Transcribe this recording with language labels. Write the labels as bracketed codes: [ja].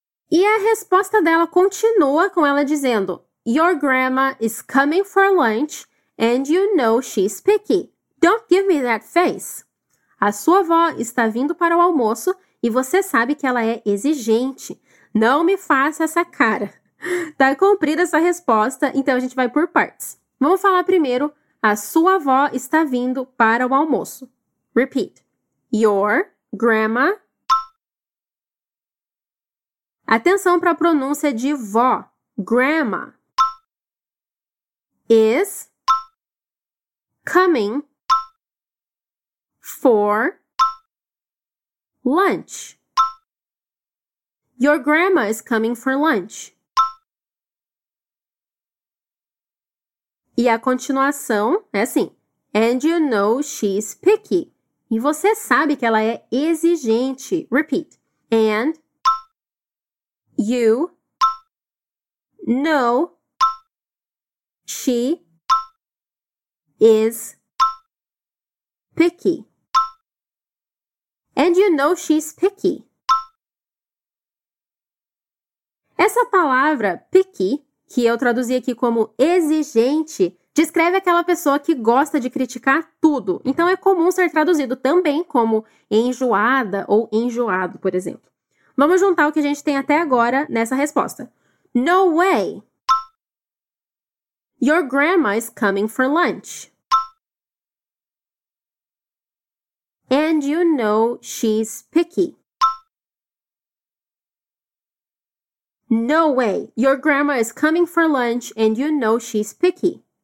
[pt] E a resposta dela continua com ela dizendo [en] your grandma is coming for lunch and you know she's picky. Don't give me that face. [pt] A sua avó está vindo para o almoço e você sabe que ela é exigente. Não me faça essa cara. Tá cumprida essa resposta, então a gente vai por partes. Vamos falar primeiro, a sua avó está vindo para o almoço. [en] Repeat. Your grandma. [pt] Atenção para a pronúncia de vó. [en] Grandma. Is coming for lunch. Your grandma is coming for lunch. [pt] E a continuação é assim. [en] And you know she's picky. [pt] E você sabe que ela é exigente. [en] Repeat. And you know she is picky. And you know she's picky. [pt] Essa palavra picky, que eu traduzi aqui como exigente, descreve aquela pessoa que gosta de criticar tudo. Então é comum ser traduzido também como enjoada ou enjoado, por exemplo. Vamos juntar o que a gente tem até agora nessa resposta. [en] No way. Your grandma is coming for lunch. And you know she's picky. No way. Your grandma is coming for lunch and you know she's picky.